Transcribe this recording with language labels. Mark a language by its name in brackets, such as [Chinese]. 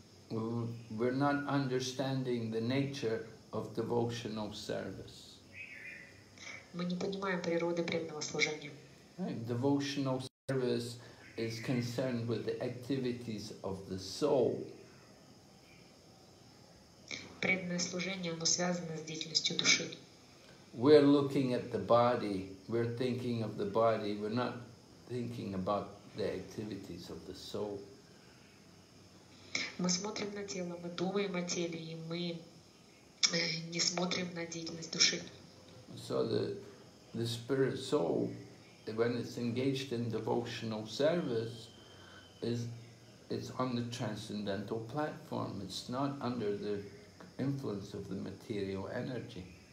[English] We're not understanding the nature of devotional service. [Russian] Мы не понимаем природы преданного служения. [English] Right. Devotional service is concerned with the activities of the soul. [Russian] Преданное служение, оно связано с деятельностью души. [English] We're looking at the body, we're thinking of the body, we're not thinking about the activities of the soul. [Russian] Мы смотрим на тело, мы думаем о теле, и мы не смотрим на деятельность души. [English] So the spirit soul, when it's engaged in devotional service, it's on the transcendental platform, it's not under the influence of the material energy.